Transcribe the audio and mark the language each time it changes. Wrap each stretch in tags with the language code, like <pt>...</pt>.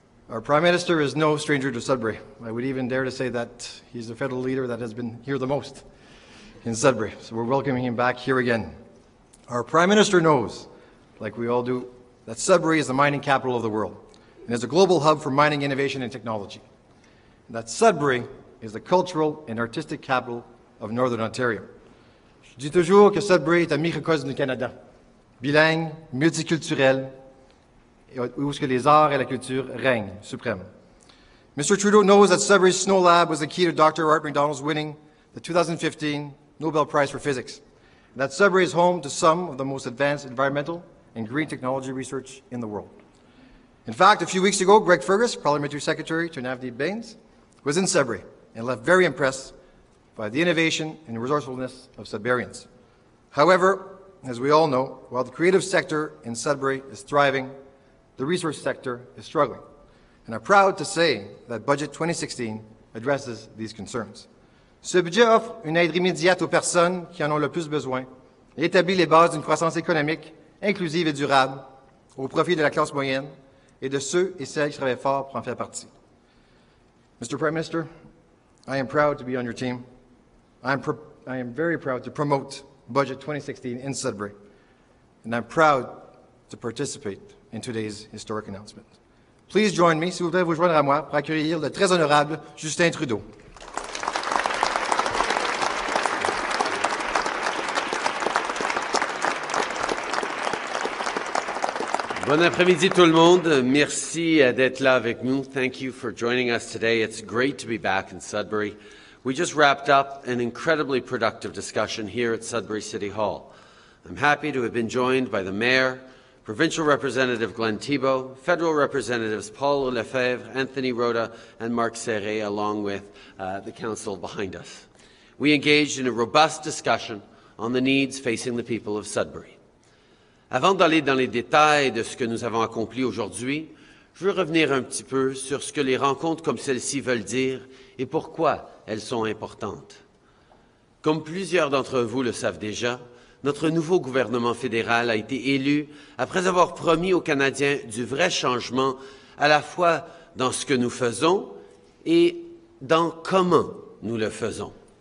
<en>Our Prime Minister is no stranger to Sudbury. I would even dare to say that he's the federal leader that has been here the most in Sudbury. So we're welcoming him back here again. Our Prime Minister knows, like we all do, that Sudbury is the mining capital of the world and is a global hub for mining innovation and technology. And that Sudbury is the cultural and artistic capital of Northern Ontario.</en> <fr>Je dis toujours que Sudbury est un microcosme du Canada, bilingue, multiculturel, où ce que les arts et la culture règnent suprême.</fr> <en>Mr. Trudeau knows that Sudbury's Snow Lab was the key to Dr. Art Macdonald's winning the 2015 Nobel Prize for Physics, and that Sudbury is home to some of the most advanced environmental and green technology research in the world. In fact, a few weeks ago, Greg Fergus, Parliamentary Secretary to Navdeep Bains, was in Sudbury and left very impressed by the innovation and resourcefulness of Sudburyans. However, as we all know, while the creative sector in Sudbury is thriving, the resource sector is struggling. And I'm proud to say that Budget 2016 addresses these concerns.</en> <fr>Ce budget offre une aide immédiate aux personnes qui en ont le plus besoin et établit les bases d'une croissance économique inclusive et durable au profit de la classe moyenne et de ceux et celles qui travaillent fort pour en faire partie.</fr> <en>Mr. Prime Minister, I am proud to be on your team. I am very proud to promote Budget 2016 in Sudbury, and I'm proud to participate in today's historic announcement. Please join me,</en> <fr>s'il vous plaît, vous joindre à moi pour accueillir le très honorable Justin Trudeau. Bon après-midi tout le monde. Merci d'être là avec nous.</fr> <en>Thank you for joining us today. It's great to be back in Sudbury. We just wrapped up an incredibly productive discussion here at Sudbury City Hall. I'm happy to have been joined by the Mayor, Provincial Representative Glenn Thibault, Federal Representatives Paul Lefebvre, Anthony Rota, and Marc Serré, along with the Council behind us. We engaged in a robust discussion on the needs facing the people of Sudbury.</en> <fr>Avant d'aller dans les détails de ce que nous avons accompli aujourd'hui, je veux revenir un petit peu sur ce que les rencontres comme celle-ci veulent dire et pourquoi elles sont importantes. Comme plusieurs d'entre vous le savent déjà, notre nouveau gouvernement fédéral a été élu après avoir promis aux Canadiens du vrai changement à la fois dans ce que nous faisons et dans comment nous le faisons.</fr>